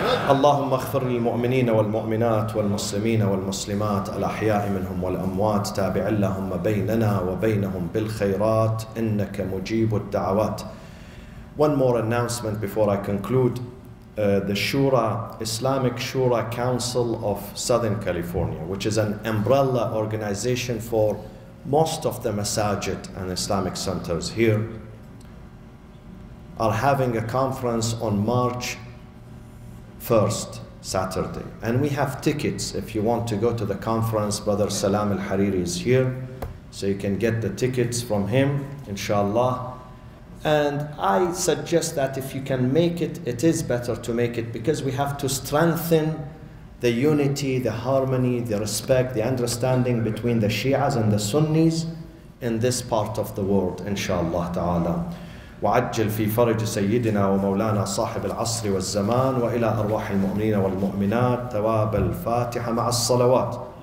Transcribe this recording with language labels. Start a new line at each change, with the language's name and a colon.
Arabic: اللهم اغفر للمؤمنين والمؤمنات والمسلمين والمسلمات الأحياء منهم والأموات تابع لهم بيننا وبينهم بالخيرات إنك مجيب الدعوات.
English: One more announcement before I conclude. The Shura, Islamic Shura Council of Southern California, which is an umbrella organization for most of the masajid and Islamic centers here, are having a conference on March 1st, Saturday. And we have tickets if you want to go to the conference. Brother Salam al-Hariri is here, so you can get the tickets from him, inshallah. And I suggest that if you can make it, it is better to make it, because we have to strengthen the unity, the harmony, the respect, the understanding between the Shias and the Sunnis in this part of the world, inshallah ta'ala.
Arabic: وعجل في فرج سيدنا ومولانا صاحب العصر والزمان وإلى أرواح المؤمنين والمؤمنات ثواب الفاتحة مع الصلوات